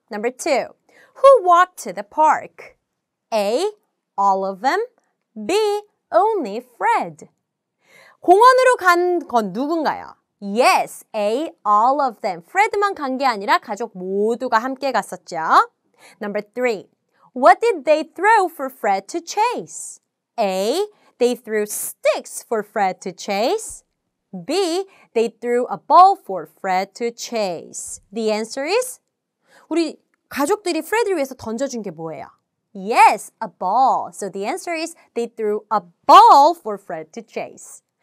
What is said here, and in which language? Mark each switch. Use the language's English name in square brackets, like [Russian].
[English] Number two, Who walked to the park? A. All of them. B. Only Fred. [Korean] 공원으로 간 건 누군가요? [English] Yes. A. All of them. [Korean] Fred만 간 게 아니라 가족 모두가 함께 갔었죠. [English] Number three. What did they throw for Fred to chase? A. They threw sticks for Fred to chase. B. They threw a ball for Fred to chase. The answer is? [Korean] 우리 가족들이 프레드를 위해서 던져준 게 뭐예요? [English] Yes, a ball. So the answer is they threw a ball for Fred to chase.